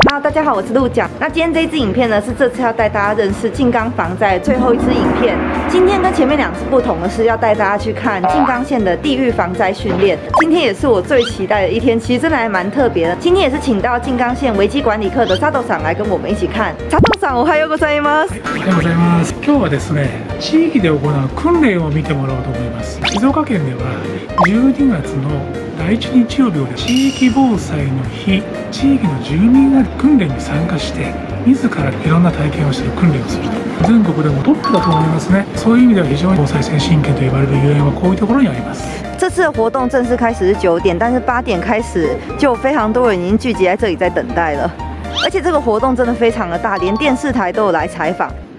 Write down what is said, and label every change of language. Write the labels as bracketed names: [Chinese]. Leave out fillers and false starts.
[Chinese] Hello， 大家好，我是鹿角。那今天这支影片呢，是这次要带大家认识静冈防灾最后一支影片。今天跟前面两支不同的是，要带大家去看静冈县的地狱防灾训练。今天也是我最期待的一天，其实真的还蛮特别的。今天也是请到静冈县危机管理课的佐藤さん来跟我们一起看。 [Japanese] 佐藤さん、おはようございます。おはようございます。今日はですね、地域で行う訓練を見てもらおうと思います。静岡県では12月の第1日曜日は地域防災の日、地域の住民が訓練に参加して自らいろんな体験をする訓練をすると、全国でもトップだと思いますね。そういう意味では非常に防災先進県と呼ばれる所以はこういうところにあります。 [Chinese] 这次的活动正式开始是9点，但是8点开始就非常多人已经聚集在这里在等待了，而且这个活动真的非常的大，连电视台都有来采访。